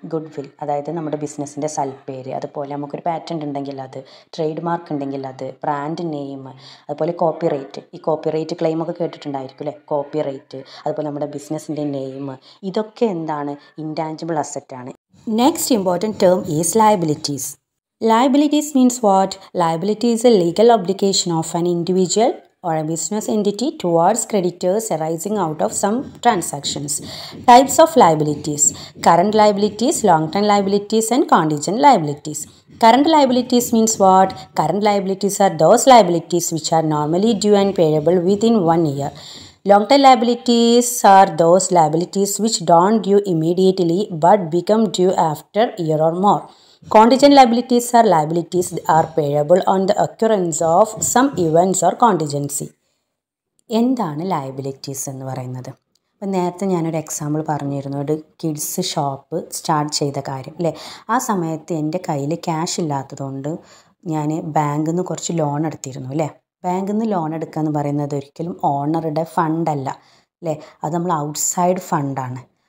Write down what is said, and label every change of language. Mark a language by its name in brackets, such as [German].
[Malayalam] Good will, അതായത് നമ്മുടെ ബിസിനസ്സിൻ്റെ സൽപ്പേര്, അതുപോലെ നമുക്കൊരു പാറ്റൻ്റ് ഉണ്ടെങ്കിൽ അത്, ട്രേഡ് മാർക്ക് ഉണ്ടെങ്കിൽ അത്, ബ്രാൻഡ് നെയിം, അതുപോലെ കോപ്പിറൈറ്റ്. ഈ കോപ്പിറൈറ്റ് ക്ലെയിമൊക്കെ കേട്ടിട്ടുണ്ടായിരിക്കും അല്ലേ, കോപ്പിറൈറ്റ്. അതുപോലെ നമ്മുടെ ബിസിനസ്സിൻ്റെ നെയിം, ഇതൊക്കെ എന്താണ്? Intangible അസറ്റാണ്. [English] Next important term is liabilities. Liabilities means what? Liability is a legal obligation of an individual or a business entity towards creditors arising out of some transactions. Types of liabilities: current liabilities, long-term liabilities and contingent liabilities. Current liabilities means what? Current liabilities are those liabilities which are normally due and payable within 1 year. Long-term liabilities are those liabilities which don't due immediately but become due after a year or more. Contingent liabilities are liabilities that are payable on the occurrence of some events or contingency. [Malayalam] എന്താണ് liabilities എന്ന് പറയുന്നത്? ഇപ്പം നേരത്തെ ഞാനൊരു example പറഞ്ഞിരുന്നു, ഒരു kids shop start ചെയ്ത കാര്യം അല്ലേ. ആ സമയത്ത് എൻ്റെ കയ്യിൽ ക്യാഷ് ഇല്ലാത്തതുകൊണ്ട് ഞാൻ ബാങ്കിൽ നിന്ന് കുറച്ച് ലോൺ എടുത്തിരുന്നു അല്ലേ. ബാങ്കിൽ നിന്ന് ലോൺ എടുക്കുക എന്ന് പറയുന്നത് ഒരിക്കലും ഓണറുടെ ഫണ്ടല്ല അല്ലേ, അത് നമ്മൾ ഔട്ട്സൈഡ് ഫണ്ടാണ്.